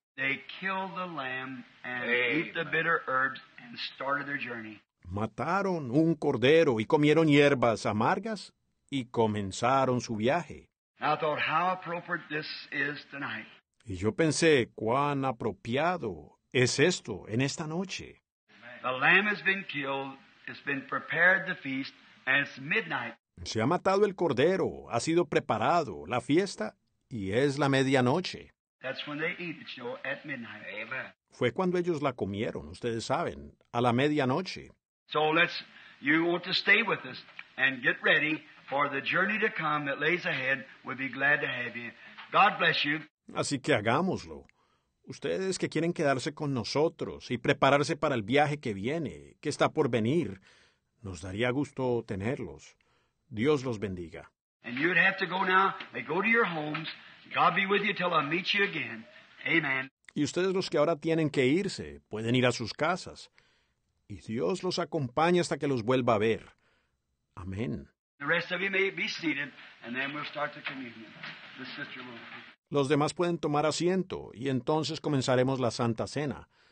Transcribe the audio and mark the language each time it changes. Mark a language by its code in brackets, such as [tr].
[en] they killed the lamb and ate the bitter herbs and started their journey. [es] Mataron un cordero y comieron hierbas amargas y comenzaron su viaje. [en] I thought how appropriate this is tonight. [es] Y yo pensé cuán apropiado es esto en esta noche. [en] The lamb has been killed, it's been prepared the feast, and it's midnight. [es] Se ha matado el cordero, ha sido preparado la fiesta y es la medianoche. [en] That's when they eat it, Joe, at midnight. Amen. [es] Fue cuando ellos la comieron, ustedes saben, a la medianoche. [en] So let's, you want to stay with us and get ready for the journey to come that lays ahead. We'll be glad to have you. God bless you. [es] Así que hagámoslo. Ustedes que quieren quedarse con nosotros y prepararse para el viaje que viene, que está por venir, nos daría gusto tenerlos. Dios los bendiga. [en] And you'd have to go now. They go to your homes. God be with you till I meet you again. Amen. [es] Y ustedes los que ahora tienen que irse, pueden ir a sus casas. Y Dios los acompaña hasta que los vuelva a ver. Amén. [en] The rest of you may be seated, and then we'll start the communion. The sister will. [es] Los demás pueden tomar asiento, y entonces comenzaremos la Santa Cena.